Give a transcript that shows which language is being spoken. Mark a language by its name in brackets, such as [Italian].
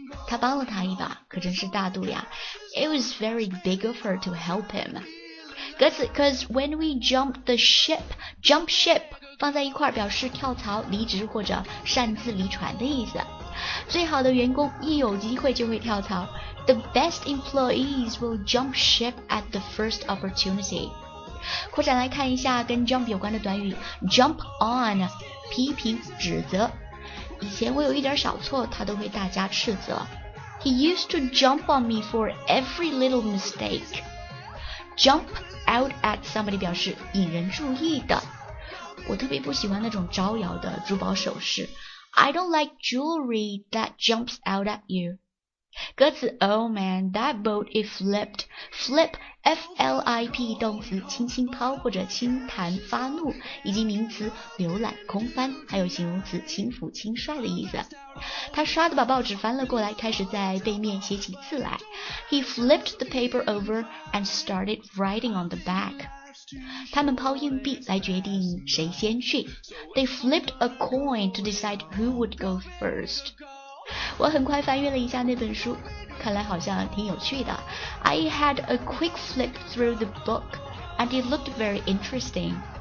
[Chinese] 他帮了他一把，可真是大度呀。 [English] It was very big of her to help him. Because when we jump ship, [Chinese] 放在一块表示跳槽、离职或者擅自离船的意思。最好的员工一有机会就会跳槽。 [English] The best employees will jump ship at the first opportunity. [Chinese] 扩展来看一下跟 jump 有关的短语 , [English] jump on, [Chinese] 批评、指责。以前我有一点小错，他都会大加斥责。 [English] He used to jump on me for every little mistake. Jump out at somebody [Chinese] 表示引人注意的。我特别不喜欢那种招摇的珠宝首饰。 [English] I don't like jewelry that jumps out at you. [Chinese] 歌词 [English] Oh man, that boat is flipped. [Chinese] Flip, F-L-I-P, 动词轻轻抛或者轻弹发怒，以及名词浏览空翻，还有形容词轻浮轻率的意思。他刷的把报纸翻了过来，开始在背面写起字来。 [English] He flipped the paper over and started writing on the back. [Chinese] 他们抛硬币来决定谁先去。 [English] They flipped a coin to decide who would go first. [Chinese] 我很快翻阅了一下那本书，看来好像挺有趣的。 [English] I had a quick flip through the book and it looked very interesting.